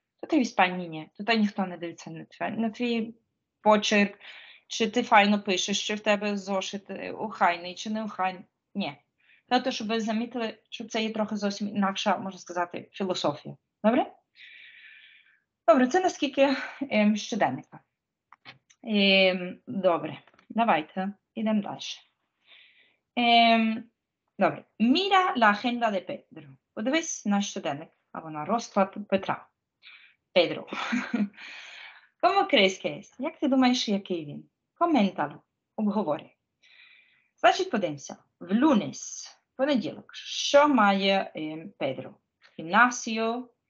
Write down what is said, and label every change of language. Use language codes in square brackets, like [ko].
[uk] То ти в Іспанії ні, то та ніхто не дивиться на твій почерк, чи ти файно пишеш, чи в тебе зошит охайний, чи не охайний. Ні. Тобто, щоб ви замітили, що це є трохи зовсім інакша, можна сказати, філософія. Добре? Добре, це наскільки щоденника. Добре, давайте, йдемо далі. Добре, [es] mira la agenda de Pedro. [uk] Подивись на щоденник, або на розклад Петра. Педро. [es] Como crees que es? [uk] Як ти думаєш, який він? Коментало, обговори. Значить, подивимося. В lunes, понеділок, що має Педро? Гімнасію.